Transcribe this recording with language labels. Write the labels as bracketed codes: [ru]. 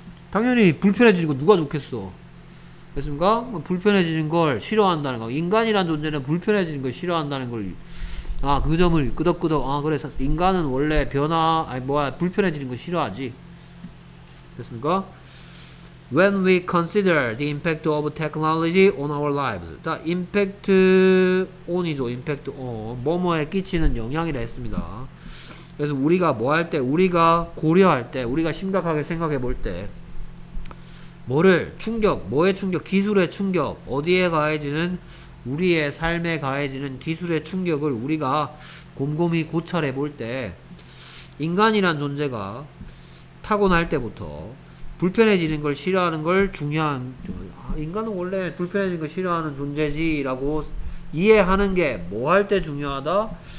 [ko] 당연히 불편해지는 거 누가 좋겠어. 됐습니까? 불편해지는 걸 싫어한다는 거. 인간이란 존재는 불편해지는 걸 싫어한다는 걸. 아, 그 점을 끄덕끄덕. 아, 그래. 인간은 원래 변화, 아니, 뭐야, 불편해지는 걸 싫어하지. 됐습니까? [en] When we consider the impact of technology on our lives. [ko] 자, impact on이죠. impact on. 뭐뭐에 끼치는 영향이라 했습니다. 그래서 우리가 뭐 할 때, 우리가 고려할 때, 우리가 심각하게 생각해 볼 때, 뭐를, 충격, 뭐의 충격, 기술의 충격, 어디에 가해지는, 우리의 삶에 가해지는 기술의 충격을 우리가 곰곰이 고찰해 볼 때, 인간이란 존재가 타고날 때부터 불편해지는 걸 싫어하는 걸 중요한, 인간은 원래 불편해지는 걸 싫어하는 존재지라고 이해하는 게 뭐 할 때 중요하다?